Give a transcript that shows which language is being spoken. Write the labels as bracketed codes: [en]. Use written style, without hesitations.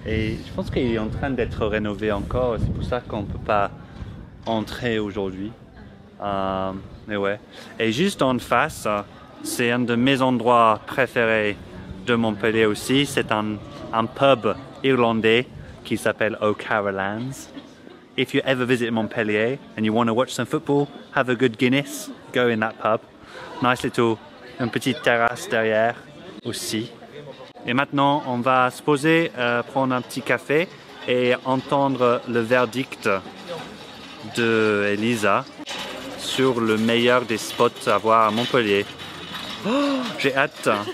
[fr] Et je pense qu'il est en train d'être rénové encore, c'est pour ça qu'on ne peut pas entrer aujourd'hui. Mais ouais. Et juste en face, c'est un de mes endroits préférés de Montpellier aussi, c'est un pub irlandais qui s'appelle O'Carolan's. [en] If you ever visit Montpellier and you want to watch some football, have a good Guinness, go in that pub. Nice little, [fr] une petite terrasse derrière aussi. Et maintenant, on va se poser, prendre un petit café et entendre le verdict de Elisa sur le meilleur des spots à voir à Montpellier. Oh, j'ai hâte.